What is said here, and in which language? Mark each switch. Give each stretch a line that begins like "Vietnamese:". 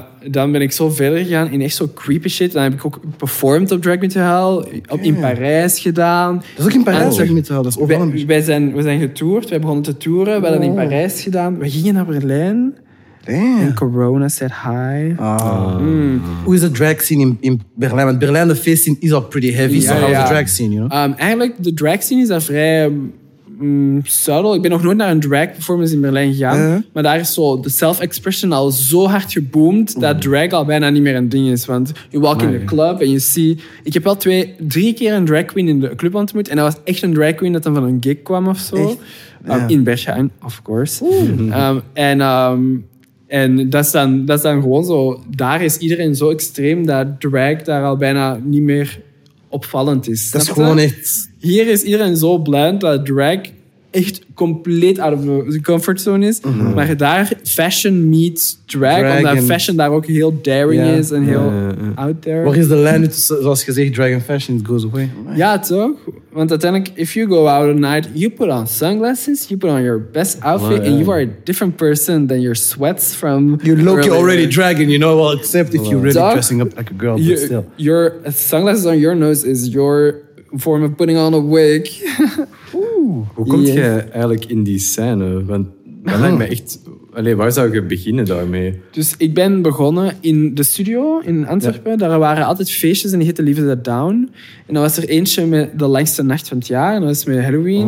Dutch: dan ben ik zo verder gegaan in echt zo creepy shit. Dan heb ik ook performed op Drag Me To Hell. In Parijs gedaan. Dat is ook in Parijs, Drag Me To Hell. Dat is overal we zijn getoerd. We begonnen te toeren. We hebben in Parijs gedaan. We gingen naar Berlijn.
English: Damn. En corona said hi.
Dutch: Hoe is de drag scene in Berlijn? Want Berlijn, de feest scene is al
English: pretty heavy. Yeah, so how is the drag scene, you know?
Dutch: Eigenlijk, de drag scene is daar vrij... subtle. Ik ben nog nooit naar een drag performance in Berlijn gegaan. Uh-huh. Maar daar is zo de self-expression al zo hard geboomd dat drag al bijna niet meer een ding is. Want
English: you walk in the club
Dutch: en you see... Ik heb wel 2-3 keer een drag queen in de club ontmoet. En dat was echt een drag queen dat dan van een gig kwam of zo. In Berlijn,
English: of course.
Dutch: En... En dat is dan gewoon zo... Daar is iedereen zo extreem dat drag daar al bijna niet meer opvallend is. Dat is gewoon echt... Hier is iedereen zo blind dat drag echt compleet
English: out of the comfort zone
Dutch: is. Mm-hmm. Maar daar
English: fashion meets drag
Dutch: omdat fashion daar ook heel daring is en heel
English: out there.
Dutch: Waar is de lijn tussen, zoals gezegd, drag en fashion,
English: it goes away. Right.
Dutch: Ja, toch? Want uiteindelijk,
English: if you go out at night, you put on sunglasses, you put on your best outfit, and you are a different person than your sweats from... You're low-key already dragging, you know, well, except if you're really dressing up like a girl, but still. Your sunglasses on your nose is your form of putting on a wig.
Dutch: Hoe kom jij eigenlijk in die scène? Want dat lijkt me echt... Allee, waar zou je beginnen daarmee? Dus ik ben begonnen in de studio in Antwerpen. Ja. Daar waren altijd feestjes en die heette Leave That Down. En dan was er eentje met de langste nacht van het jaar. En dat was met Halloween.